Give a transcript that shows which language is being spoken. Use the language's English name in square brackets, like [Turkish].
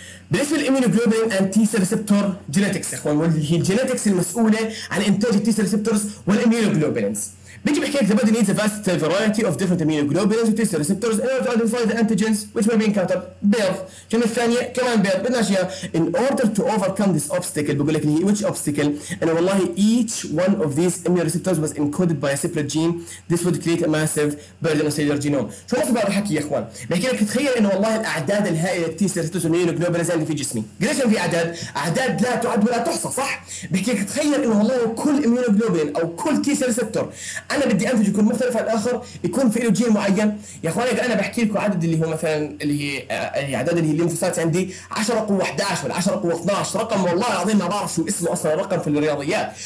[Arabic] بالنسبة للإيمونوجلوبين أند تي سيل ريسبتور جينيتكس إخوان، واللي هي الجينيتكس المسؤولة عن إنتاج التي سيل ريسبتورز والإيمونوجلوبينز، بيجي بحكي لك [English] the body needs a vast variety of different immunoglobulins and T cell receptors in order to identify the antigens which may be encountered. [Arabic] بيض كلمة ثانية كمان بيض بدناش إياها. [English] In order to overcome this obstacle [Arabic] بقول لك [English] which obstacle، [Arabic] أنا والله [English] each one of these immune receptors was encoded by a separate gene. This would create a massive burden on cellular genome. [Arabic] شو قصدي بهذا الحكي يا إخوان؟ بحكي لك تخيل إنه والله الأعداد الهائلة T cell receptors والإيمونوجلوبينز اللي في جسمي، قديش في أعداد؟ أعداد لا تعد ولا تحصى صح؟ بحكي لك تخيل إنه والله كل إيمونوجلوبين أو كل T cell receptor انا بدي انتج يكون مختلف عن الاخر يكون في له جين معين. يا اخواني انا بحكي لكم عدد اللي هو مثلا اللي هي اعداد اللي هي الليمفوسايت عندي 10^11 ولا 10^12 رقم والله العظيم ما بعرف شو اسمه اصلا رقم في الرياضيات.